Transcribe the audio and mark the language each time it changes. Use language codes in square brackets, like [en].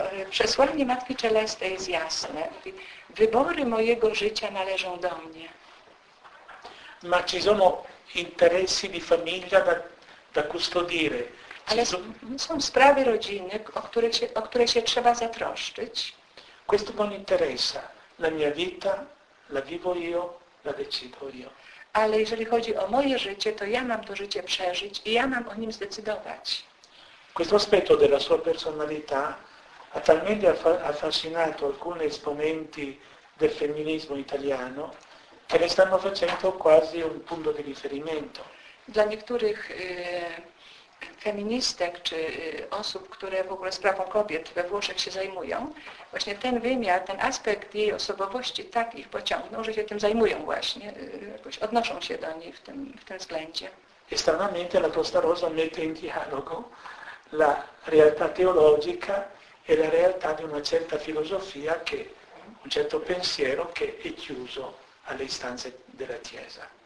[pl] Przesłanie Matki Czelestej jest jasne. Wybory mojego życia należą do mnie. [it] Ma ci sono interessi di famiglia da custodire. [pl] Ale są sprawy rodziny, o które się trzeba zatroszczyć. [it] Questo non interessa. La mia vita la vivo io, la decido io. [pl] Ale jeżeli chodzi o moje życie, to ja mam to życie przeżyć i ja mam o nim zdecydować. [it] Questo aspetto della sua personalità ha talmente affascinato alcuni esponenti del femminismo italiano che le stanno facendo quasi un punto di riferimento. [pl] Dla niektórych feministek czy osób, które w ogóle sprawą kobiet we Włoszech się zajmują, właśnie ten wymiar, ten aspekt jej osobowości tak ich pociągnął, że się tym zajmują właśnie, jakoś odnoszą się do niej w tym względzie. [it] E stranamente la Costa Rosa mette in dialogo la realtà teologica e la realtà di una certa filosofia che un certo pensiero che è chiuso alle istanze della Chiesa.